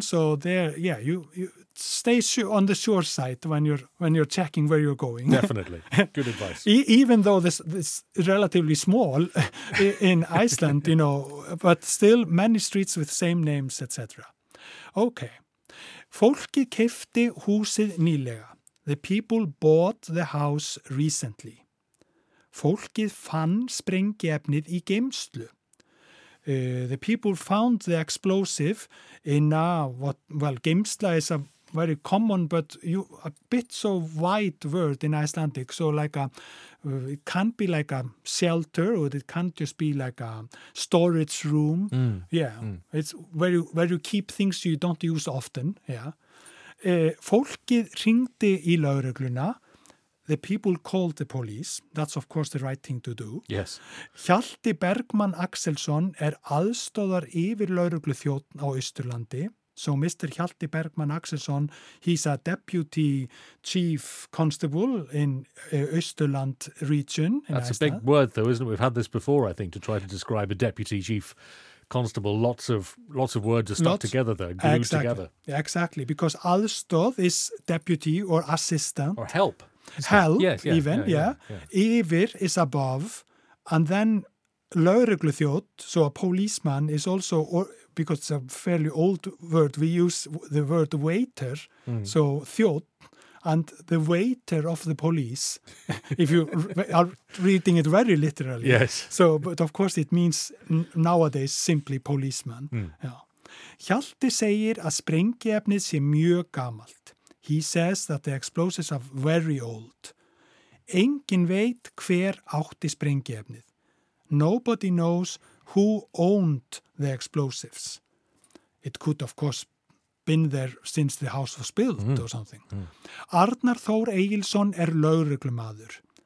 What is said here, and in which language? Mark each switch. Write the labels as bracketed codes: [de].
[en] So there, yeah, you stay on the sure side when you're checking where you're going. Definitely. Good advice. Even though this is relatively small in Iceland, you know, but still many streets with same names, etc. Okay. [is] Fólki keypti húsið nýlega. [en] The people bought the house recently. [is] Fólki fann sprengiefnið í geymslu. [en] The people found the explosive in a, geymsla is a very common, but you a bit so wide word in Icelandic. So like a, it can't be like a shelter, or it can't just be like a storage room. Mm. Yeah, mm. It's where you keep things you don't use often. [is] Yeah, fólkið hringdi í lögregluna. [en] The people called the police. That's, of course, the right thing to do. Yes. [is] Hjalti Bergmann Axelsson aðstoðar yfir lögreglu þjónn á Austurlandi. [en] So Mr. Hjalti Bergmann Axelsson, he's a deputy chief constable in Austurland region. That's a big word, though, isn't it? We've had this before, I think, to try to describe a deputy chief constable. Lots of words are stuck together there, glued together. Exactly, because aðstoð is deputy or assistant. Or help. Help, yfir is above, and then lögregluþjótt, so a policeman is also, or, because it's a fairly old word, we use the word waiter, so þjótt, and the waiter of the police, if you are reading it very literally. Yes. So, but of course it means nowadays simply policeman. Mm. Yeah. [is] Hjalti segir að sprengiefnið sé mjög gamalt. [en] He says that the explosives are very old. [is] Engin veit hver átti sprengiefnið. [en] Nobody knows who owned the explosives. It could, of course, been there since the house was built or something. Mm. [is] Arnar Þór Egilsson lögreglumaður.